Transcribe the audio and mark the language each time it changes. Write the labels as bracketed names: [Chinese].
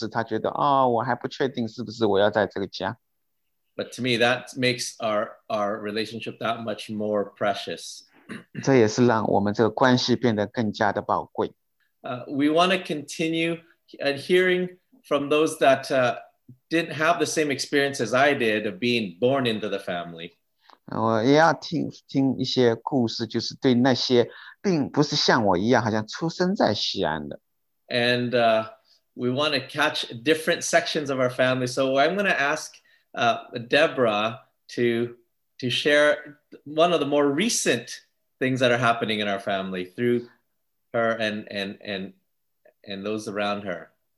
[Chinese] 也现在很高兴来听到他的分享，现在分享他过去，当时他觉得，哦，我还不确定是不是我要在这个家。 [English] But to me, that makes our relationship that much more precious. [Chinese] 这也是让我们这个关系变得更加的宝贵。 [English] We want to continue hearing from those that didn't have the same experience as I did of being born into the family. [Chinese] 我也要听一些故事，就是对那些并不是像我一样，好像出生在西安的。 [English] And we want to catch different sections of our family. So I'm going to ask Deborah to share one of the more recent things that are happening in our family through her and those around her.